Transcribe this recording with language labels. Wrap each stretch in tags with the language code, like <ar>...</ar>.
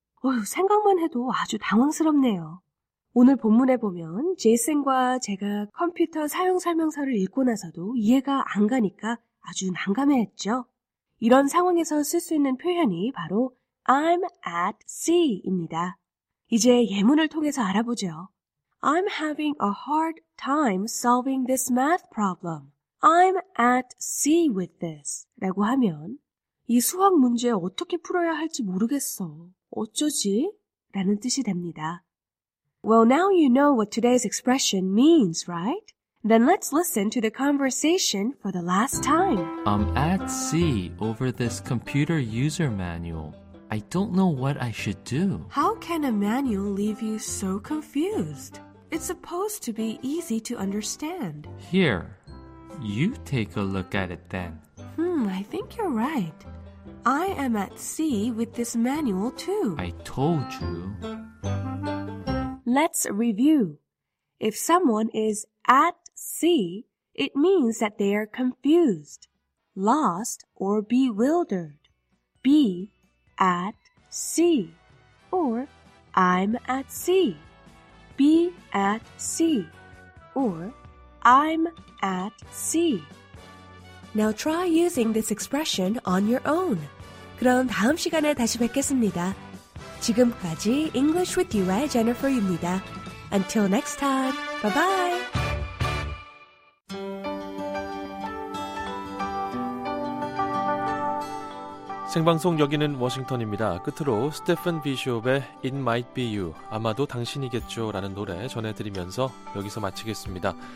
<ko>어휴, 생각만 해도 아주 당황스럽네요. 오늘 본문에 보면 제이슨과 제가 컴퓨터 사용 설명서를 읽고 나서도 이해가 안 가니까 아주 난감해했죠. 이런 상황에서 쓸 수 있는 표현이 바로</ko> <en>I'm at sea</en> <ko>입니다. 이제 예문을 통해서 알아보죠.</ko> <en>I'm having a hard time solving this math problem. I'm at sea with this.</en> <ko>라고 하면 이 수학 문제 어떻게 풀어야 할지 모르겠어. 어쩌지? 라는 뜻이 됩니다.</ko> <en>Well, now you know what today's expression means, right? Then let's listen to the conversation for the last time. I'm at sea over this computer user manual. I don't know what I should do. How can a manual leave you so confused? It's supposed to be easy to understand. Here, you take a look at it then. I think you're right. I am at sea with this manual too. I told you. Let's review. If someone is at sea, it means that they are confused, lost, or bewildered. Be at sea. Or I'm at sea. Be at sea. Or I'm at sea. Now try using this expression on your own.</en> <ko>그럼 다음 시간에 다시 뵙겠습니다. 지금까지 English with You의 Jennifer입니다.</ko> <en>Until next time, bye-bye!</en> <ko>Sing방송 여기는 워싱턴입니다. 끝으로 스테픈 비숍의 It Might Be You, 아마도 당신이겠죠 라는 노래 전해드리면서 여기서 마치겠습니다.</ko>